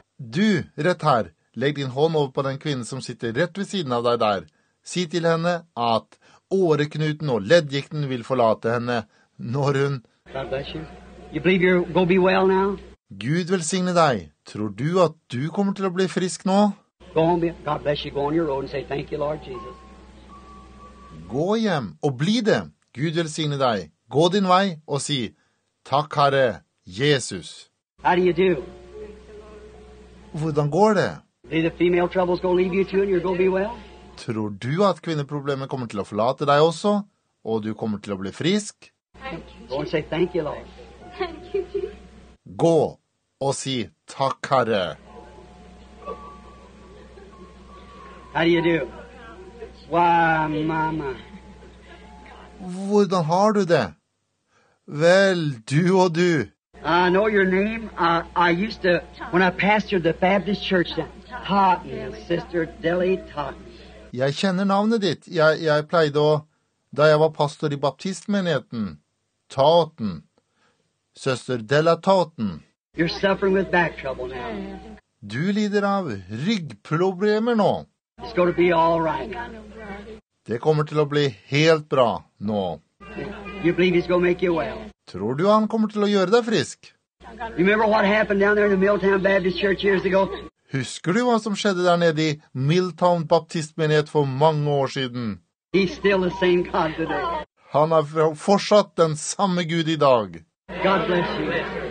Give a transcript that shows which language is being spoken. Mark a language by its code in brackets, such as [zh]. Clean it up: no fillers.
[no] Du, rett her, legg din hånd over på den kvinnen som sitter rett ved siden av deg der. Si til henne at åreknuten og leddgikten vil forlate henne når hun... [en] God bless you. You believe you're going to be well now? [no] Gud velsigne deg. Tror du at du kommer til å bli frisk nå? [en] Go on, God bless you. Go on your road and say thank you, Lord Jesus. [no] Gå hjem og bli det. Gud velsigne deg. Gå din vei og si takk, Herre Jesus. [en] How do you do? [no] Hvordan går det? [en] Believe the female troubles going to leave you too and you're going to be well? [no] Tror du at kvinneproblemet kommer til å forlate deg også, og du kommer til å bli frisk? [en] Go and say thank you, Lord. [no] Gå og si takk, Herre. [en] How do you do? Wow, mama. [no] Hvordan har du det? Vel, du og du. [en] I know your name. I used to, when I pastored the Baptist church, Totten, Sister Dilly Totten. [no] Jeg kjenner navnet ditt. Jeg pleide å, da jeg var pastor i baptistmenigheten, Totten. Søster Della Totten. [en] You're suffering with back trouble now. [no] Du lider av ryggproblemer nå. [en] It's going to be all right. [no] Det kommer til å bli helt bra nå. [en] You believe he's going to make you well? [no] Tror du han kommer til å gjøre deg frisk? [en] You remember what happened down there in the Milltown Baptist Church years ago? [no] Husker du hva som skjedde der nede i Milltown Baptistmenighet for mange år siden? [en] He's still the same God today. [no] Han fortsatt den samme Gud i dag. [en] God bless you.